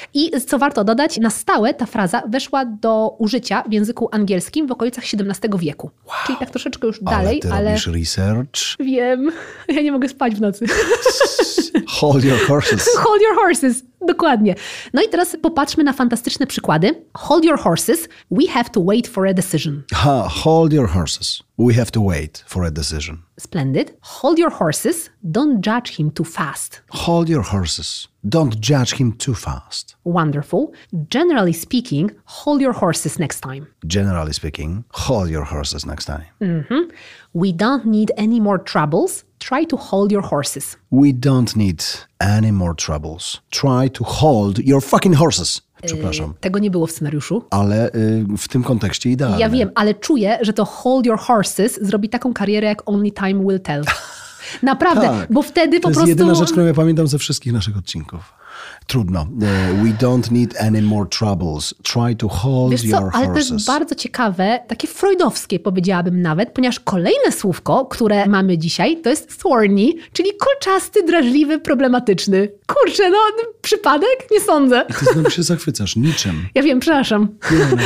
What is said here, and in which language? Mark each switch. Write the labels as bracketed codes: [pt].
[pl] I co warto dodać, na stałe ta fraza weszła do użycia w języku angielskim w okolicach XVII wieku. Wow. Czyli tak troszeczkę już dalej, ale... Ale ty robisz research. Wiem. Ja nie mogę spać w nocy. [en] Hold your horses. Hold your horses. [pl] Dokładnie. No i teraz popatrzmy na fantastyczne przykłady. [en] Hold your horses. We have to wait for a decision. Ha, hold your horses. We have to wait for a decision. Splendid. Hold your horses. Don't judge him too fast. Hold your horses. Don't judge him too fast. Wonderful. Generally speaking, hold your horses next time. Generally speaking, hold your horses next time. Mm-hmm. We don't need any more troubles. Try to hold your horses. We don't need any more troubles. Try to hold your fucking horses. [pl] Przepraszam. Tego nie było w scenariuszu. Ale w tym kontekście idealnie. Ja wiem, ale czuję, że to hold your horses zrobi taką karierę jak Only Time Will Tell. Naprawdę, tak. Bo wtedy to po prostu... To jest jedyna rzecz, którą ja pamiętam ze wszystkich naszych odcinków. Trudno. [en] We don't need any more troubles. Try to hold your horses. [pl] Ale to jest bardzo ciekawe, takie freudowskie powiedziałabym nawet, ponieważ kolejne słówko, które mamy dzisiaj, to jest thorny, czyli kolczasty, drażliwy, problematyczny. Kurczę, no przypadek? Nie sądzę. I ty znowu się zachwycasz niczym. Ja wiem, przepraszam. Nie, no.